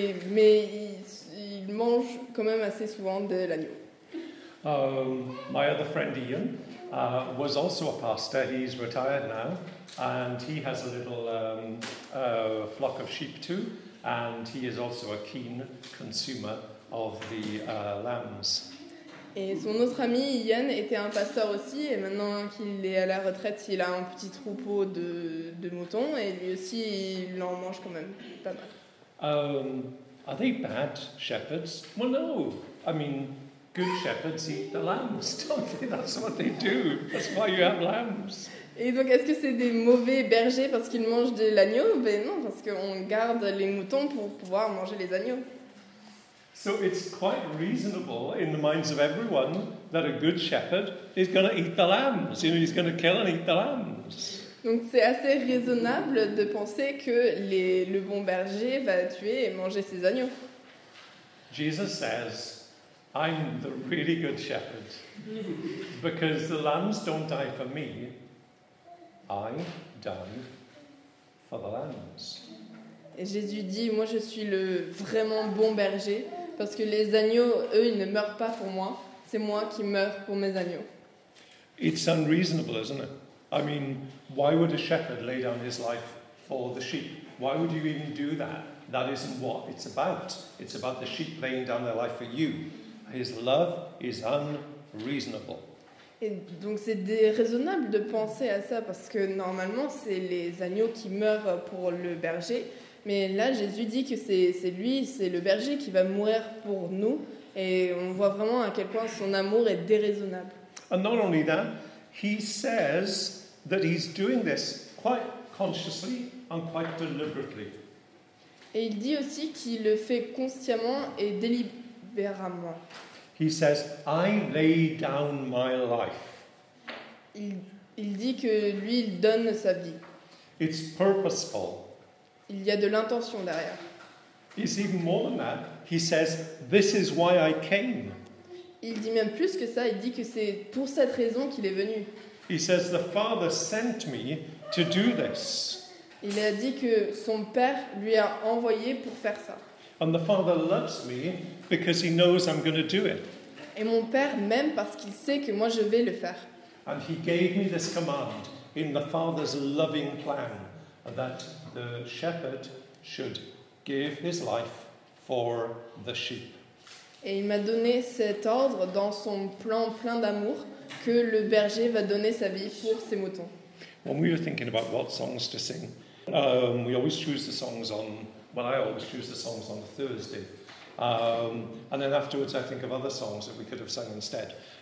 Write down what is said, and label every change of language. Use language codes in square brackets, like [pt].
[fr] Mais il mange quand même assez souvent de l'agneau. [en] My other friend Ian was also a pastor. He's retired now. And he has a little flock of sheep too, and he is also a keen consumer of the lambs. [fr] Et son autre ami Ian était un pasteur aussi, et maintenant qu'il est à la retraite, il a un petit troupeau de moutons, et lui aussi il en mange quand même pas mal. [en] Are they bad shepherds? Well, no. I mean, good shepherds eat the lambs, don't they? That's what they do. That's why you have lambs. [fr] Et donc, est-ce que c'est des mauvais bergers parce qu'ils mangent de l'agneau ? Ben non, parce qu'on garde les moutons pour pouvoir manger les agneaux. [en] So it's quite reasonable in the minds of everyone that a good shepherd is going to eat the lambs. You know, he's going to kill and eat the lambs. [fr] Donc, c'est assez raisonnable de penser que le bon berger va tuer et manger ses agneaux. [en] Jesus says, I'm the really good shepherd because the lambs don't die for me. I die for the lambs. [fr] Et Jésus dit, moi je suis le vraiment bon berger, parce que les agneaux, eux, ils ne meurent pas pour moi, c'est moi qui meurs pour mes agneaux. [en] It's unreasonable, isn't it? I mean, why would a shepherd lay down his life for the sheep? Why would you even do that? That isn't what it's about. It's about the sheep laying down their life for you. His love is unreasonable. [fr] Et donc c'est déraisonnable de penser à ça, parce que normalement c'est les agneaux qui meurent pour le berger, mais là Jésus dit que c'est lui, c'est le berger qui va mourir pour nous, et on voit vraiment à quel point son amour est déraisonnable. [en] And not only that, he says that he's doing this quite consciously and quite deliberately. [fr] Et il dit aussi qu'il le fait consciemment et délibérément. [en] He says, I lay down my life. [fr] Il dit que lui, il donne sa vie. [en] It's purposeful. [fr] Il y a de l'intention derrière. [en] It's even more than that. He says, this is why I came. [fr] Il dit même plus que ça. Il dit que c'est pour cette raison qu'il est venu. [en] He says, the Father sent me to do this. [fr] Il a dit que son Père lui a envoyé pour faire ça. [en] And the Father loves me because he knows I'm going to do it. [fr] Et mon père m'aime parce qu'il sait que moi je vais le faire. [en] And he gave me this command in the Father's loving plan that the shepherd should give his life for the sheep. [fr] Et il m'a donné cet ordre dans son plan plein d'amour que le berger va donner sa vie pour ses moutons. [en] When we were thinking about what songs to sing, we always choose the songs on. Well, I always choose the songs on a Thursday. And then afterwards I think of other songs that we could have sung instead.